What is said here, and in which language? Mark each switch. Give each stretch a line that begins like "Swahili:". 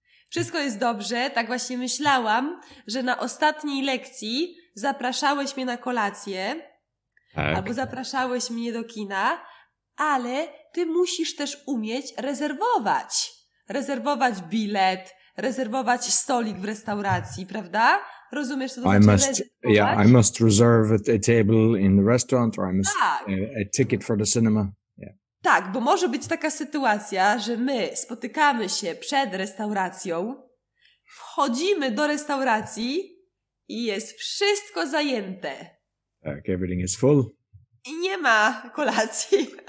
Polish: Wszystko jest dobrze, tak właśnie myślałam, że na ostatniej lekcji zapraszałeś mnie na kolację, tak. Albo zapraszałeś mnie do kina, ale ty musisz też umieć rezerwować. Rezerwować bilet, rezerwować stolik w restauracji, prawda? Rozumiesz, co to znaczy?
English: Yeah, I must reserve a table in the restaurant, or I must a ticket for the cinema.
Polish: Tak, bo może być taka sytuacja, że my spotykamy się przed restauracją, wchodzimy do restauracji i jest wszystko zajęte. Tak,
English: everything is full.
Polish: I nie ma kolacji.